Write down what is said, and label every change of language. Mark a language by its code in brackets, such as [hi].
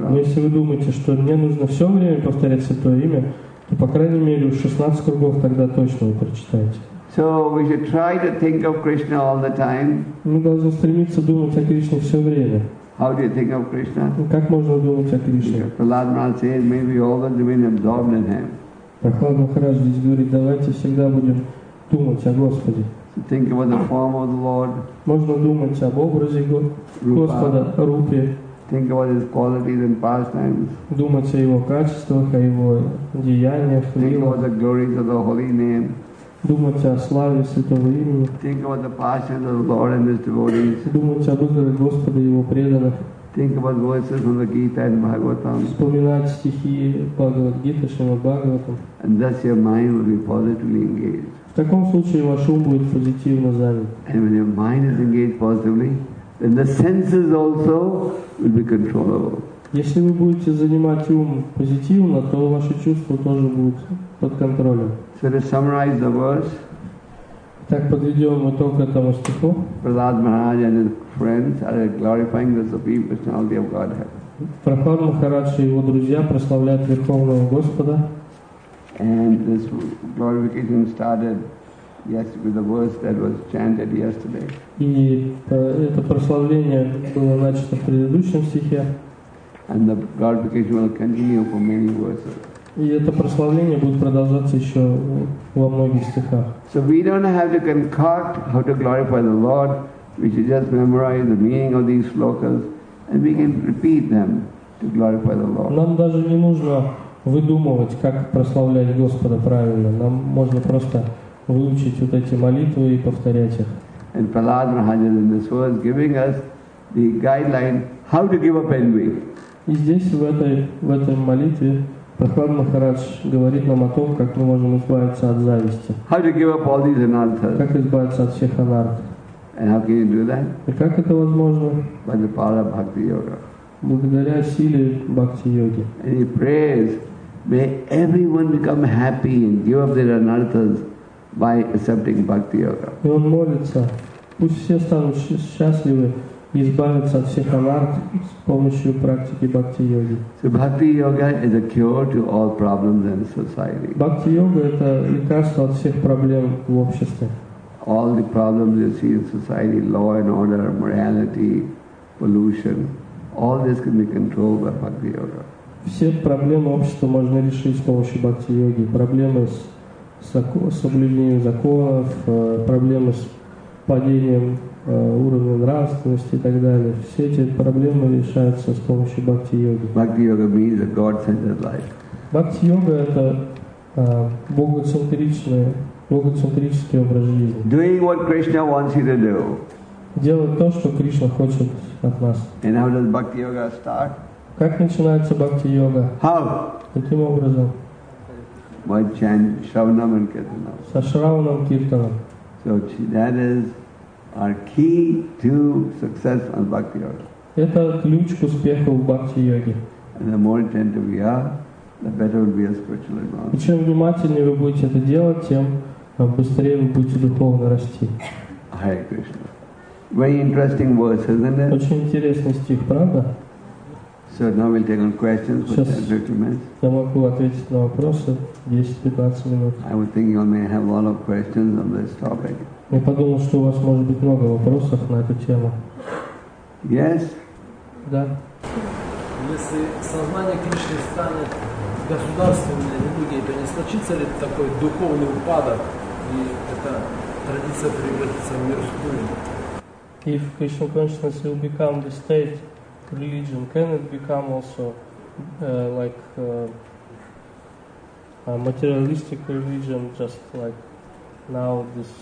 [ru] Но если вы думаете, что мне нужно все время повторять Святое Имя, то, по крайней мере, 16 кругов тогда точно вы прочитаете. [en] So we should try to think of Krishna all the time. [ru] Мы должны стремиться думать о Кришне все время. [en] How do you think of Krishna? [ru] Как можно думать о Кришне? [en] Prahlad Maharaj says, may we always remain absorbed in Him. [ru] Прохлад Махарадж здесь говорит, давайте всегда будем думать о Господе. [en] So think about the form of the Lord. [ru] Можно думать об образе Господа, Рупе. [en] Think about His qualities and pastimes. [ru] Думать о Его качествах, о Его деяниях. [en] Think about the glories of the Holy Name. [ru] Думать о славе Святого Имени. [en] Think about the passion of the Lord and His devotees. [ru] Думать об узоре Господа и Его преданных. [en] Think about verses from the Gita and Bhagavatam. [ru] Вспоминать стихи Бхагавад-гиты, Шримад-Бхагаватам. [en] And thus your mind will be positively engaged. [ru] В таком случае ваш ум будет позитивно занят. [en] And when your mind is engaged positively, then the senses also will be controllable. [ru] Если вы будете занимать ум позитивно, то ваши чувства тоже будут под контролем. [en] So to summarize the verse. [ru] Так подведем итог этому стиху. [en] Prahlad Maharaj and his friends are glorifying the Supreme Personality of Godhead. [ru] Прохлад Махарадж и его друзья прославляют Верховного Господа. [en] And this glorification started yesterday with the verse that was chanted yesterday. [ru] И это прославление было начато в предыдущем стихе. [en] And the glorification will continue for many verses. [ru] И это прославление будет продолжаться еще во многих стихах. [en] So we don't have to concoct how to glorify the Lord. We should just memorize the meaning of these slokas, and we can repeat them to glorify the Lord. [ru] Нам даже не нужно выдумывать, как прославлять Господа правильно. Нам можно просто выучить вот эти молитвы и повторять их. [en] And Prahlad Maharaj in this verse giving us the guideline how to give up envy. [ru] И здесь в этой молитве Прохлад Махарадж говорит нам о том, как мы можем избавиться от зависти. [en] How to give up all these anarthas? [ru] Как избавиться от всех анарт? [en] And how can you do that? [ru] И как это возможно? [en] By the power of bhakti yoga. [ru] Благодаря силе бхакти йоги. [en] And he prays, may everyone become happy and give up their anarthas by accepting bhakti yoga. [ru] И он молится, пусть все станут счастливы и избавятся от всех аварт с помощью практики бхакти-йоги. [en] So bhakti-yoga is a cure to all problems in society. [ru] Бхакти-йога — это лекарство от всех проблем в обществе. [en] All the problems you see in society, law and order, morality, pollution, all this can be controlled by bhakti-yoga. [ru] Все проблемы общества можно решить с помощью бхакти-йоги. Проблемы с соблюдением законов, проблемы с падением уровня нравственности и так далее. Все эти проблемы решаются с помощью бхакти-йоги. [en] Бхакти-йога means a God-centered life. [ru] Бхакти-йога — это богоцентрический образ жизни. [en] Doing what Krishna wants you to do. [ru] Делать то, что Кришна хочет от нас. [en] And how does bhakti-yoga start? [ru] Как начинается бхакти-йога? [en] How? [ru] Каким образом? [en] By chanting Shravanam and Kirtanam. [ru] Со Шраванам Киртанам. [en] So that is our key to success on bhakti yoga. [ru] Это ключ к успеху в бхакти йоге. [en] And the more attentive we are, the better will be our spiritual advance. [ru] И чем внимательнее вы будете это делать, тем быстрее вы будете духовно расти. [en] Hare Krishna. Very interesting verse, isn't it? [ru] Очень интересный стих, правда? [en] So now we'll take on questions for 10-15 minutes. [ru] Я могу ответить на вопросы 10-15 минут. [en] I was thinking you may have a lot of questions on this topic. [ru] Я подумал, что у вас может быть много вопросов на эту тему. [en] Yes? [ru] Да. Если сознание Кришны станет государственным, то не случится ли такой духовный упадок, и эта традиция превратится в мирскую? [en] If Krishna consciousness will become the state religion, can it become also a materialistic religion, just like now this?